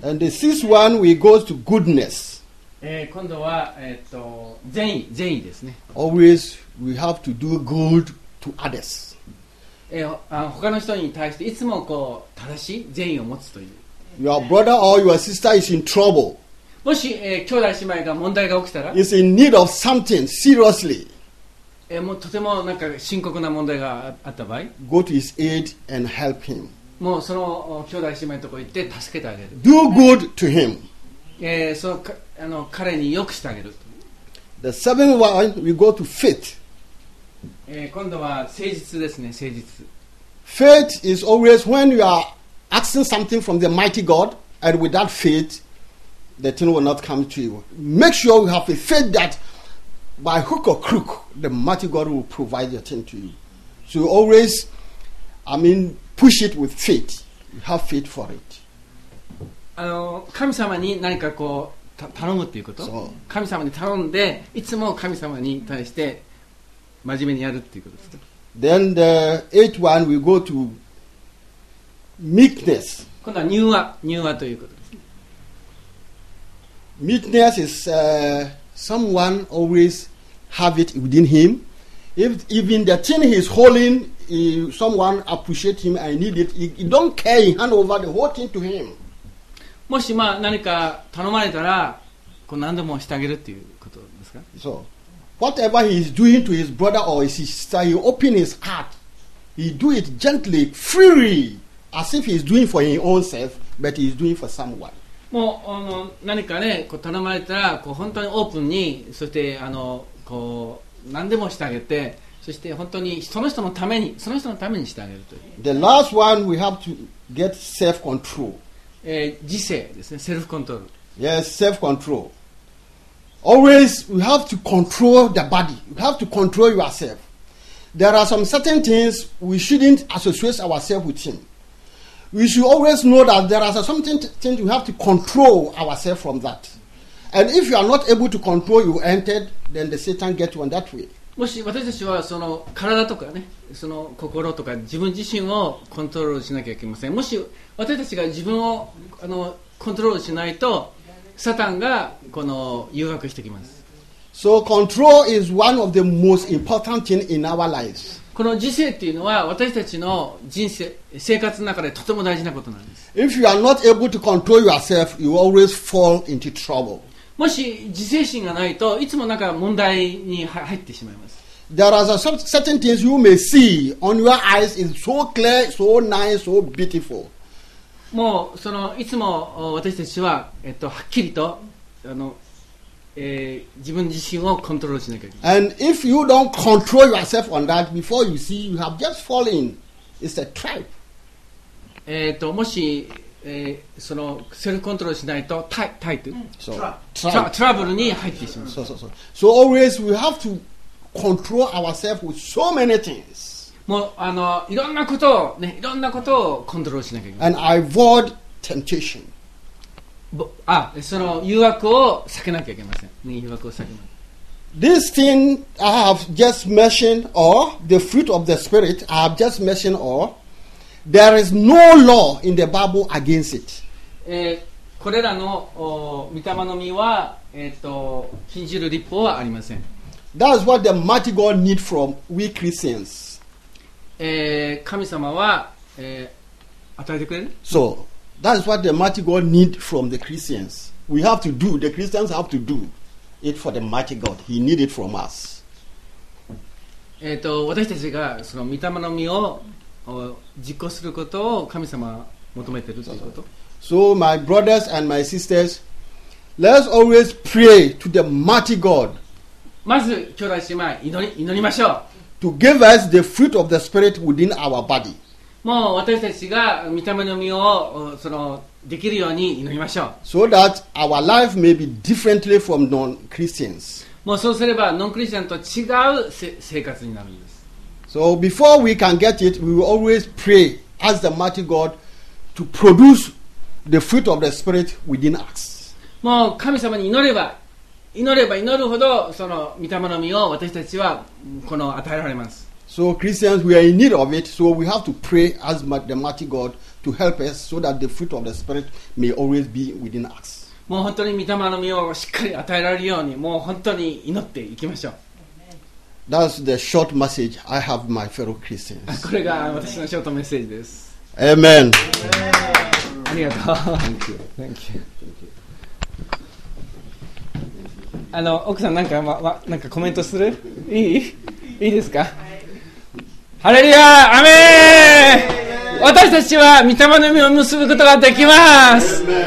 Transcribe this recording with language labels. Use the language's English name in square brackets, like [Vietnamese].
[English] And the sixth one, we go to goodness. [Japanese] 今度は、善意、善意ですね。 [English] Always we have to do good to others. [Japanese] 他の人に対していつもこう正しい善意を持つという。 [English] Your brother or your sister is in trouble. [Japanese] もし、兄弟姉妹が問題が起きたら、 [English] is in need of something seriously. [Japanese] もうとてもなんか深刻な問題があった場合、 [English] Go to his aid and help him. [Japanese] もうその兄弟姉妹のところに行って助けてあげる。 [English] Do good to him. [Japanese] そのあの彼に良くしてあげる。 [English] The seventh one, we go to faith. [Japanese] 今度は誠実ですね、誠実。 [English] Faith is always when you are asking something from the mighty God, and without faith, the thing will not come to you. Make sure you have a faith that. By hook or crook, the mighty God will provide your thing to you. So you always, push it with faith. You have faith for it. [Japanese] 神様に何かこう頼むということ。 [English] So, [Japanese] 神様に頼んで、いつも神様に対して真面目にやるということです。 [English] Then the eighth one, we go to meekness. [Japanese] 今度は柔和、柔和ということです。 [English] Meekness is... Someone always have it within him. If even the thing he is holding, someone appreciate him and need it, he don't care. He hand over the whole thing to him. [Japanese] もしまあ何か頼まれたら、こう何でもしてあげるっていうことですか。 [English] So, whatever he is doing to his brother or his sister, he open his heart. He do it gently, freely, as if he is doing for his own self, but he is doing for someone. [Japanese] もう何か、ね、こう頼まれたらこう本当にオープンに、そしてこう何でもしてあげて、そして本当にその人のために、その人のためにしてあげるという。 [English] The last one, we have to get self-control. [Japanese] 自制ですね、セルフコントロール。 [English] Yes, self-control. Always, we have to control the body. We have to control yourself. There are some certain things we shouldn't associate ourselves with him. We should always know that there are something things we have to control ourselves from that. And if you are not able to control, you entered, then the Satan get you on that way. [Japanese] もし私たちはその体とかね、その心とか自分自身をコントロールしなきゃいけません。もし私たちが自分をコントロールしないと、サタンがこの誘惑してきます。 [English] So control is one of the most important thing in our lives. [Japanese] この自制というのは私たちの人生、生活の中でとても大事なことなんです。 [English] If you are not able to control yourself, you always fall into trouble. [Japanese] もし自制心がないと、いつもなんか問題に入ってしまいます。 [English] There are certain things you may see on your eyes is so clear, so nice, so beautiful. [Japanese] もうそのいつも私たちは、はっきりと自分自身をコントロールしなきゃいけない。 [English] And if you don't control yourself on that, before you see, you have just fallen. It's a trap. [Japanese] もし、そのセルフコントロールしないと、タイプ、 [English] so, [Japanese] トラブルに入ってしまう。 [English] So, so, so. So always we have to control ourselves with so many things. [Japanese] もう、いろんなことをね、いろんなことをコントロールしなきゃいけない。 And avoid temptation. その誘惑を避けなきゃいけません。誘惑を避けます。 [English] This thing I have just mentioned, or the fruit of the spirit I have just mentioned, or there is no law in the Bible against it. [Japanese] これらの御霊の実は禁じる立法はありません。 [English] That is what the mighty God need from we Christians. [Japanese] 神様は与えてくれる。 [English] So. That is what the mighty God need from the Christians. We have to do, the Christians have to do it for the mighty God. He need it from us. [Japanese] 私たちがその御霊の実を実行することを神様は求めているということ。 [English] So my brothers and my sisters, let's always pray to the mighty God. [Japanese] まず兄弟姉妹祈りましょう。 [English] To give us the fruit of the Spirit within our body. [Japanese] もう私たちが御霊の実をそのできるように祈りましょう。 [English] So that our life may be differently from non-Christians. [Japanese] もうそうすればノンクリスチャンと違う生活になるんです。 [English] So before we can get it, we will always pray, ask the mighty God to produce the fruit of the Spirit within us. [Japanese] もう神様に祈れば祈れば祈るほどその御霊の実を私たちはこの与えられます。 [English] So Christians, we are in need of it. So we have to pray as the mighty God to help us, so that the fruit of the Spirit may always be within us. [Japanese] もう本当に御霊の実をしっかり与えられるように、もう本当に祈っていきましょう。 [English] That's the short message I have, my fellow Christians. [Japanese] これが私のショートメッセージです。 [English] Amen. [Japanese] ありがとう。 [English] Thank you. Thank you. [Japanese] あの奥さんなんか、なんかコメントする？いい？いいですか？ハレルヤー、アメン。私たちは御霊の実を結ぶことができます。